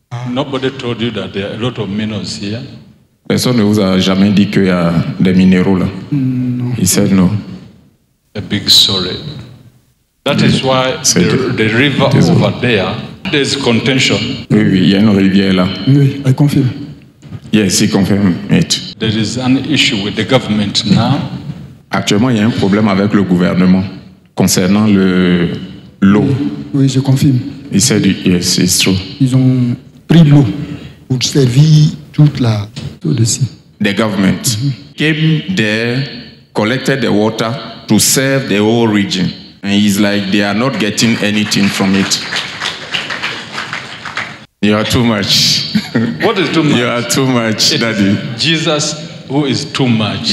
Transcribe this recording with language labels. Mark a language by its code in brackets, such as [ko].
[en] Nobody told you that there are a lot of minerals here. [fr] Personne ne vous a jamais dit qu'il y a des minéraux là. Non. [en] He said no. A big story. That is why the river over there, there's contention. [fr] Oui, oui, il y a une rivière là. [en] Oui, I confirm. Yes, he confirmed it. There is an issue with the government now. [fr] Actuellement, il y a un problème avec le gouvernement concernant l'eau. Oui, oui, je confirme. [en] He said yes, it's true. [fr] Ils ont pris l'eau pour servir toute la tout ici. [en] The government came there, collected the water to serve the whole region. And he's like, they are not getting anything from it. You are too much. What is too much? You are too much, it's daddy. Jesus, who is too much?